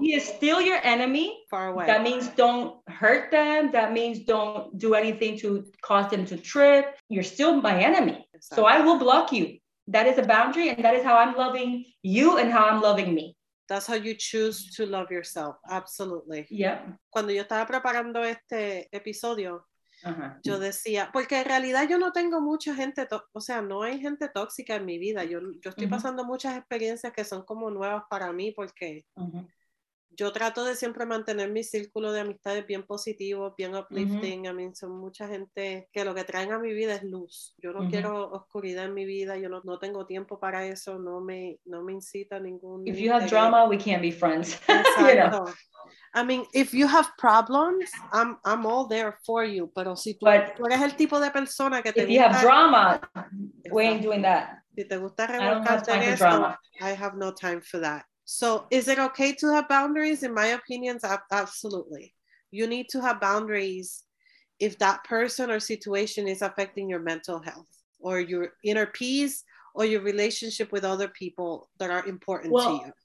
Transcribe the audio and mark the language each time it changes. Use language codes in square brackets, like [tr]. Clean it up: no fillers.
[en] He is still your enemy. Far away. That means don't hurt them. That means don't do anything to cause them to trip. You're still my enemy. So I will block you. That is a boundary, and that is how I'm loving you and how I'm loving me. That's how you choose to love yourself. Absolutely. Yeah. [es] Cuando yo estaba preparando este episodio, yo decía, porque en realidad yo no tengo mucha gente, o sea, no hay gente tóxica en mi vida. Yo estoy pasando muchas experiencias que son como nuevas para mí porque yo trato de siempre mantener mi círculo de amistades bien positivo, bien uplifting. [en] I mean, [es] son mucha gente que lo que traen a mi vida es luz. Yo no quiero oscuridad en mi vida. Yo no tengo tiempo para eso. No me incita ningún... [en] If you have drama, we can't be friends. [es] Exacto. [en] I mean, if you have problems, I'm all there for you. [es] Pero si tú eres el tipo de persona que te gusta... [en] If you have drama, we ain't doing that. [es] Si te gusta revolcar en eso, [en] I have no time for that. So is it okay to have boundaries? In my opinion, absolutely. You need to have boundaries if that person or situation is affecting your mental health or your inner peace or your relationship with other people that are important to you.